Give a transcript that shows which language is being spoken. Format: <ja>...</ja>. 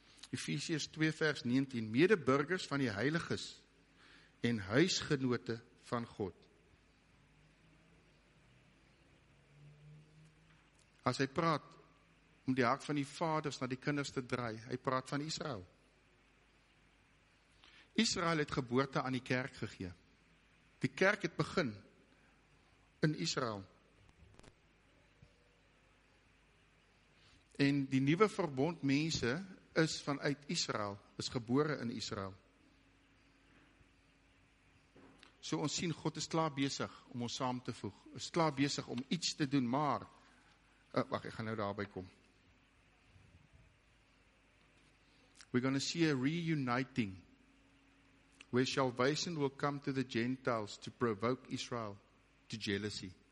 <af>Efesiërs 2 vers 19, medeburgers van die heiliges en huisgenote van God. As hy praat om die hart van die vaders na die kinders te draai, hy praat van Israel. Israel het geboorte aan die kerk gegee. Die kerk het begin in Israel. En die nuwe verbond mense is vanuit Israel, is gebore in Israel. So ons sien God is klaar besig om ons saam te voeg. Is klaar besig om iets te doen, maar wag, ek gaan nou daarby kom.</af> <en>We're going to see a reuniting where salvation will come to the Gentiles to provoke Israel to jealousy.</en>